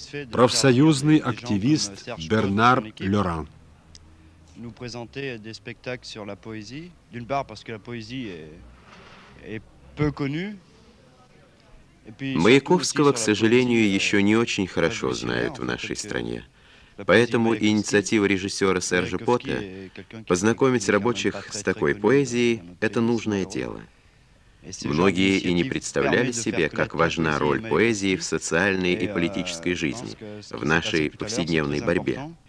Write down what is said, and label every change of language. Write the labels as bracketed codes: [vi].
[ru] Профсоюзный активист Бернар Лоран. [fr] Nous présenter des spectacles sur la poésie, d'une part parce que la poésie est peu connue. [ru] Маяковского, к сожалению, еще не очень хорошо знают в нашей стране. Поэтому инициатива режиссера Сержа Пота познакомить рабочих с такой поэзией – это нужное дело. Многие и не представляли себе, как важна роль поэзии в социальной и политической жизни, в нашей повседневной борьбе.